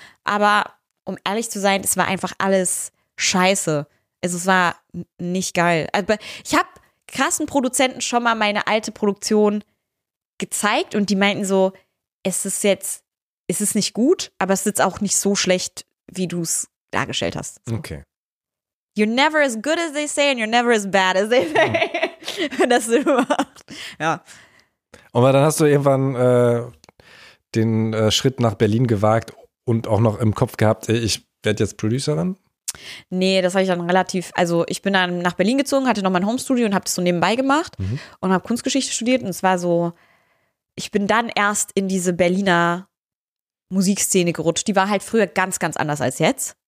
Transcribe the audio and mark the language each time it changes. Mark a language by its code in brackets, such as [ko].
[de] Aber um ehrlich zu sein, es war einfach alles scheiße. Also es war nicht geil. Aber ich habe krassen Produzenten schon mal meine alte Produktion gezeigt und die meinten so, es ist nicht gut, aber es sitzt auch nicht so schlecht, wie du es dargestellt hast. So. Okay. [en] You're never as good as they say and you're never as bad as they say. [de] Wenn das so macht. Ja. Und dann hast du irgendwann den Schritt nach Berlin gewagt und auch noch im Kopf gehabt, ich werde jetzt Producerin? Nee, das habe ich dann relativ, also ich bin dann nach Berlin gezogen, hatte noch mein Homestudio und habe das so nebenbei gemacht und habe Kunstgeschichte studiert und es war so, ich bin dann erst in diese Berliner Musikszene gerutscht. Die war halt früher ganz, ganz anders als jetzt.